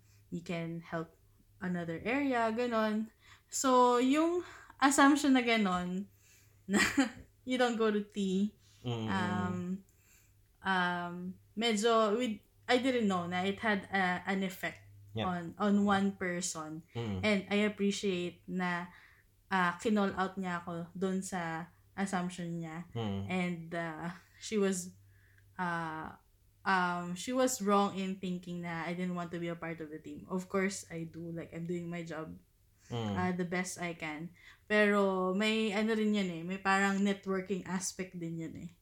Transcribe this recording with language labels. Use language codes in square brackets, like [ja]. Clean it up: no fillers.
[en] You can help another area, [tl] ganon. [en] So, yung assumption na ganon, na you don't go to tea, [tl] medyo, [en] I didn't know na it had an effect on one person. And I appreciate [tl] na kinall out niya ako dun sa assumption niya. [en] And she was wrong in thinking na I didn't want to be a part of the team. Of course, I do. Like, I'm doing my job the best I can. [tl] Pero may ano rin yun eh. May parang networking aspect din yun eh.